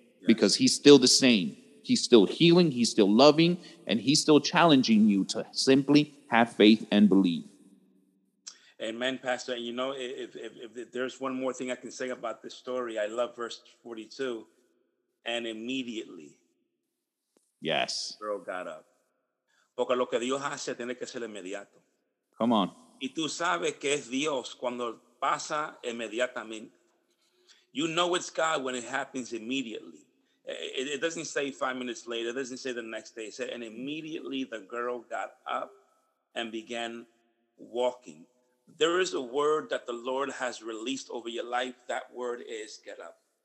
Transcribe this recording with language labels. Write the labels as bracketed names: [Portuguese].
[English] Yes. Because he's still the same. He's still healing. He's still loving. And he's still challenging you to simply have faith and believe. Amen, Pastor. And you know, if there's one more thing I can say about this story, I love verse 42. And immediately. Yes. The girl got up. [Spanish] Porque lo que Dios hace tiene que ser inmediato. [English] Come on. [Spanish] Y tú sabes que es Dios cuando pasa inmediatamente. [English] You know it's God when it happens immediately. It doesn't say 5 minutes later. It doesn't say the next day. It said, and immediately the girl got up and began walking. There is a word that the Lord has released over your life. That word is get up.